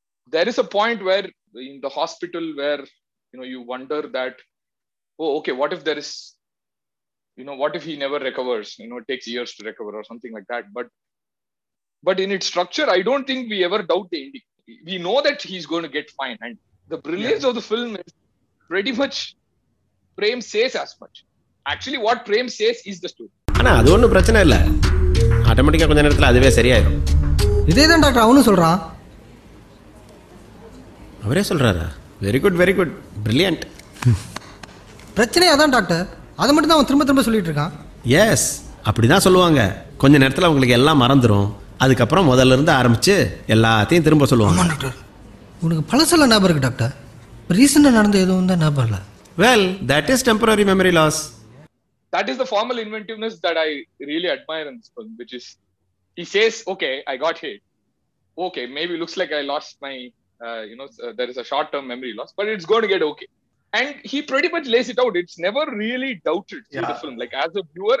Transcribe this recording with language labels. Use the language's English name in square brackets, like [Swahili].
[English] There is a point where in the hospital where, you know, you wonder that, oh, okay, what if there is, you know, what if he never recovers, you know, it takes years to recover or something like that. But But in its structure, I don't think we ever doubt the ending. We know that he's going to get fine. And the brilliance of the film is pretty much Prem says as much. Actually, what Prem says is the story. [Tamil] ஆனா அது ஒண்ணும் பிரச்சனை இல்ல. ஆட்டோமேட்டிக்கா கொஞ்ச நேரத்துல அதுவே சரியாயிடும். இதேதான் டாக்டர் அவனும் சொல்றான். அவரே சொல்றாரா? [English] Very good, very good, brilliant. [Tamil] பிரச்சனை அதான் டாக்டர், அதை மட்டும் தான் அவன் திரும்ப திரும்ப சொல்லிட்டு இருக்கான். எஸ், அப்படிதான் சொல்லுவாங்க. கொஞ்ச நேரத்துல அவங்களுக்கு எல்லாம் மறந்துடும், அதுக்கப்புறம் முதல்ல இருந்து ஆரம்பிச்சு எல்லாத்தையும் திரும்ப சொல்லுவாங்க. டாக்டர், உனக்கு பழசல ஞாபகம் இருக்கு டாக்டர். இப்ப ரீசெண்டா நடந்த எதுவும் தான் ஞாபகம் இல்ல. [English] Well, that is temporary memory loss. That is the formal inventiveness that I really admire in this film, which is, he says, okay, I got hit. Okay, maybe looks like I lost my, there is a short-term memory loss, but it's going to get okay. And he pretty much lays it out. It's never really doubted through the film, like as a viewer.